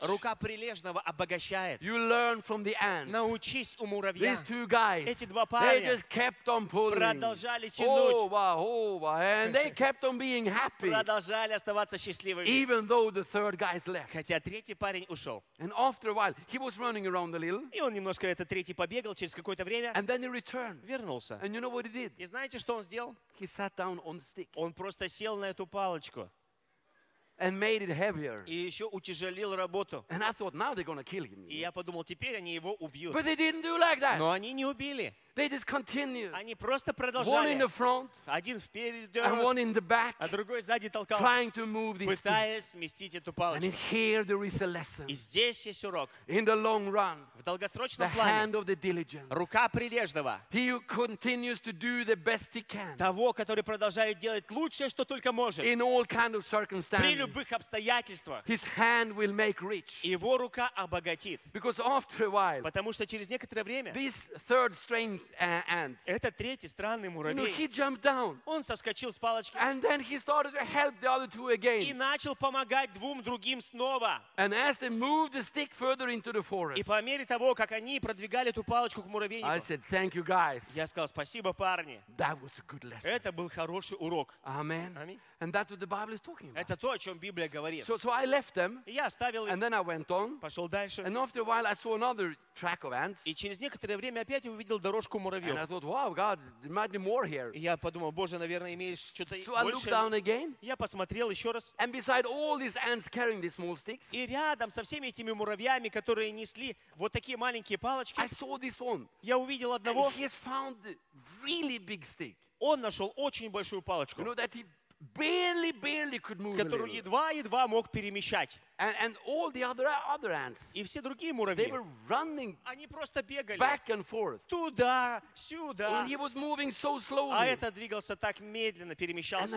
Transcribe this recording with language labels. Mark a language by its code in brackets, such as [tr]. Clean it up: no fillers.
[ru] Рука прилежного обогащает. [en] You learn from the ants. [ru] Научись у муравья. [en] These two guys, [ru] эти два парня, [en] they just kept on pulling. [ru] Продолжали тянуть. [en] Oh, wow, oh, wow. And they kept on being happy. [ru] Продолжали оставаться счастливыми. [en] Even though the third guy's left. [ru] Хотя третий парень ушел. [en] And after a while, he was running around a little. [ru] И он немножко этот третий побегал через какое-то время. [en] And then he returned. [ru] Вернулся. [en] And you know what he did? [ru] И знаете, что он сделал? [en] He sat down on the stick. [ru] Он просто сел на эту палочку. [en] And made it heavier. [ru] И еще утяжелил работу. [en] And I thought, now they're gonna kill him. [ru] И я подумал, теперь они его убьют. [en] But they didn't do like that. [ru] Но они не убили. [en] They just continued. [ru] Они просто продолжали. [en] One in the front, [ru] один вперед, [en] and one in the back, [ru] а другой сзади толкал, [en] trying to move this [ru] пытаясь [en] stick. [ru] Сместить эту палочку. [en] And here there is a lesson. [ru] И здесь есть урок. [en] In the long run, [ru] в долгосрочном [en] the [ru] плане, [en] hand of the diligent, [ru] рука прилежного, [en] he who continues to do the best he can, [ru] того, который продолжает делать лучшее, что только может, [en] in all kind of circumstances, [ru] при любых обстоятельствах, [en] his hand will make rich. [ru] Его рука обогатит. [en] Because after a while, [ru] потому что через некоторое время, [en] this third strange [ru] это третий странный муравей. [en] You know, he jumped down. [ru] Он соскочил с палочки. [en] And then he started to help the other two again. [ru] И начал помогать двум другим снова. [en] And as they moved the stick further into the forest. [ru] И по мере того, как они продвигали эту палочку к муравейнику. [en] I said, thank you, guys. [ru] Я сказал, спасибо, парни. [en] That was a good lesson. [ru] Это был хороший урок. [en] Amen. [ru] Аминь. [en] And that's what the Bible is talking about. [ru] Это то, о чем Библия говорит. [en] So I left them. [ru] И я оставил их. [en] And then I went on. [ru] Пошел дальше. [en] And after a while, I saw another track of ants. [ru] И через некоторое время опять увидел дорожку. [en] And I thought, wow, God, there might be more here. [ru] Я подумал, Боже, наверное, имеешь что-то больше. [en] So I looked down again. [ru] Я посмотрел еще раз. [en] And beside all these ants carrying these small sticks. [ru] И рядом со всеми этими муравьями, которые несли вот такие маленькие палочки. [en] I saw this one. [ru] Я увидел одного. [en] And he has found a really big stick. [ru] Он нашел очень большую палочку. [en] You know that he barely could move. [ru] Которую едва мог перемещать. [en] And all the other ants. [ru] И все другие муравьи. [en] They were running. [ru] Они просто бегали. [en] Back and forth. [ru] Туда, сюда. [en] And he was moving so slowly. [ru] А этот двигался так медленно, перемещался.